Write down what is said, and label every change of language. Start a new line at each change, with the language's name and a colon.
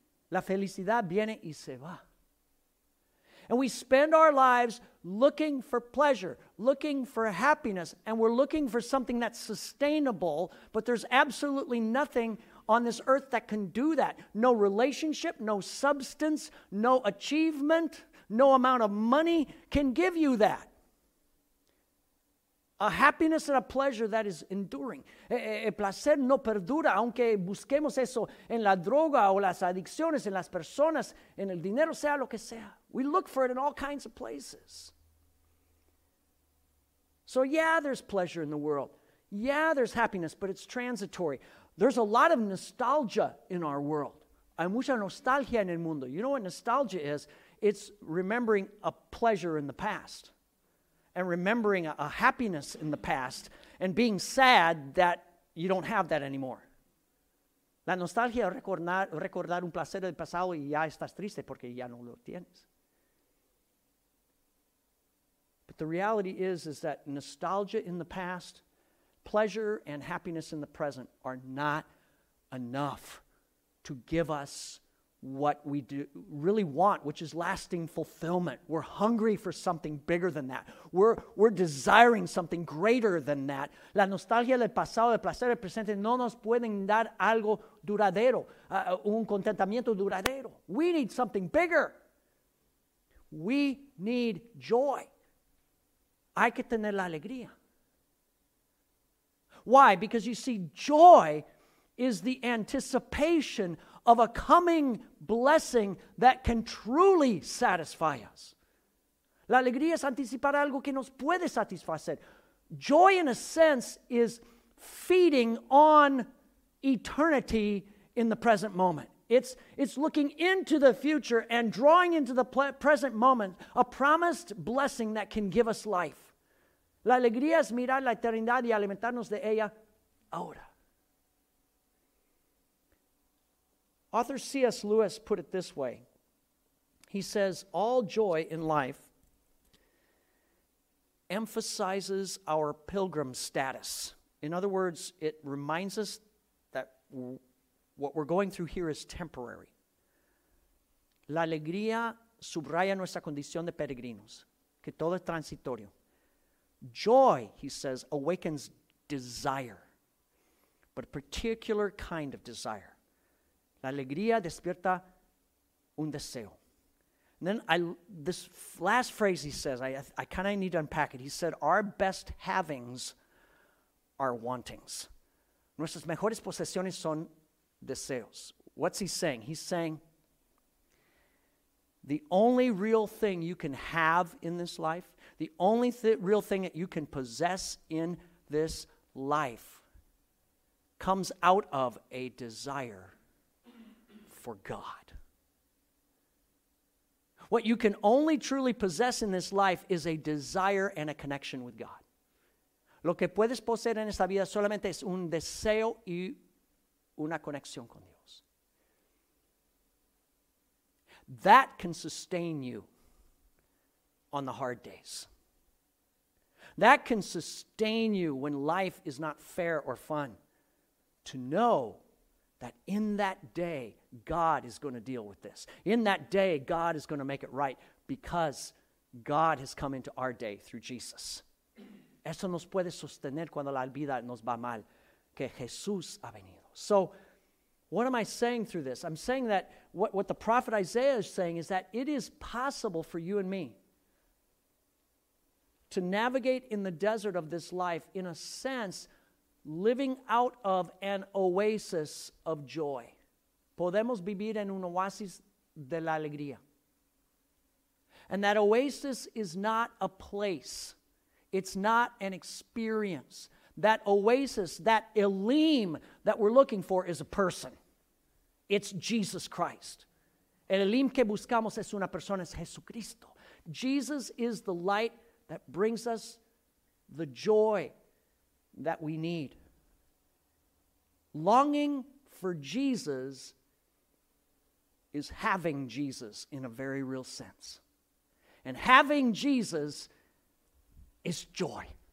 Spanish: La felicidad viene y se va.
English: And we spend our lives looking for pleasure, looking for happiness, and we're looking for something that's sustainable, but there's absolutely nothing on this earth that can do that. No relationship, no substance, no achievement, no amount of money can give you that. A happiness and a pleasure that is enduring.
Spanish: El placer no perdura, aunque busquemos eso en la droga o las adicciones, en las personas, en el dinero, sea lo que sea.
English: We look for it in all kinds of places. So yeah, there's pleasure in the world. Yeah, there's happiness, but it's transitory. There's a lot of nostalgia in our world.
Spanish: Hay mucha nostalgia en el mundo.
English: You know what nostalgia is? It's remembering a pleasure in the past. And remembering a happiness in the past and being sad that you don't have that anymore.
Spanish: La nostalgia es recordar un placer del pasado y ya estás triste porque ya no lo tienes.
English: But the reality is that nostalgia in the past, pleasure and happiness in the present are not enough to give us what we do really want, which is lasting fulfillment. We're hungry for something bigger than that. We're desiring something greater than that.
Spanish: La nostalgia del pasado, el placer del presente, no nos pueden dar algo duradero, un contentamiento duradero.
English: We need something bigger. We need joy.
Spanish: Hay que tener la alegría.
English: Why? Because you see, joy is the anticipation of a coming blessing that can truly satisfy us.
Spanish: La alegría es anticipar algo que nos puede satisfacer.
English: Joy, in a sense, is feeding on eternity in the present moment. It's looking into the future and drawing into the present moment a promised blessing that can give us life.
Spanish: La alegría es mirar la eternidad y alimentarnos de ella ahora.
English: Author C.S. Lewis put it this way. He says, all joy in life emphasizes our pilgrim status. In other words, it reminds us that what we're going through here is temporary.
Spanish: La alegría subraya nuestra condición de peregrinos, que todo es transitorio.
English: Joy, he says, awakens desire, but a particular kind of desire.
Spanish: La alegría despierta un deseo.
English: And then this last phrase he says, I kind of need to unpack it. He said, our best havings are wantings.
Spanish: Nuestras mejores posesiones son deseos.
English: What's he saying? He's saying, the only real thing you can have in this life, the only real thing that you can possess in this life comes out of a desire for God. What you can only truly possess in this life is a desire and a connection with God.
Spanish: Lo que puedes poseer en esta vida solamente es un deseo y una conexión con Dios.
English: That can sustain you on the hard days. That can sustain you when life is not fair or fun. To know that in that day, God is going to deal with this. In that day, God is going to make it right because God has come into our day through Jesus.
Spanish: Eso nos puede sostener cuando la vida nos va mal, que Jesús ha venido.
English: So, what am I saying through this? I'm saying that what the prophet Isaiah is saying is that it is possible for you and me to navigate in the desert of this life, in a sense, living out of an oasis of joy.
Spanish: Podemos vivir en un oasis de la alegría.
English: And that oasis is not a place. It's not an experience. That oasis, that elim that we're looking for is a person. It's Jesus Christ.
Spanish: El elim que buscamos es una persona, es Jesucristo.
English: Jesus is the light that brings us the joy that we need. Longing for Jesus is having Jesus in a very real sense. And having Jesus is joy.